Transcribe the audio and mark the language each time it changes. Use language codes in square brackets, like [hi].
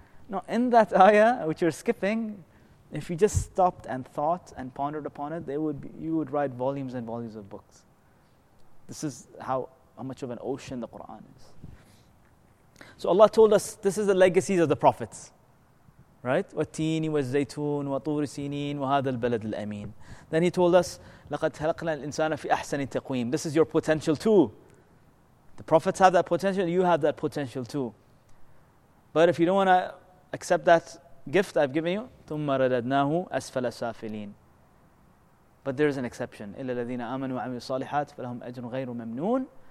[en] No, in that ayah which you're skipping, if you just stopped and thought and pondered upon it, you would write volumes and volumes of books. This is how much of an ocean the Quran is. So Allah told us, this is the legacies of the prophets. Right? [ar] وَالتِّينِ وَالزَّيْتُونِ وَطُورِ سِينِينَ وَهَذَا الْبَلَدِ الْأَمِينِ. [en] Then he told us, [ar] لَقَدْ خَلَقْنَا الْإِنسَانَ فِي أَحْسَنِ تَقْوِيمٍ. [en] This is your potential too. The prophets have that potential, you have that potential too. But if you don't want to accept that gift I've given you, [ar] ثُمَّ رَدَدْنَاهُ أَسْفَلَ سَافِلِينَ. [en] But there is an exception. [ar] إِلَّا الَّذِينَ آمَنُوا وَعَمِلُوا الصَّالِحَاتِ فَلَهُمْ أَجْرٌ غَيْرُ مَمْنُونَ.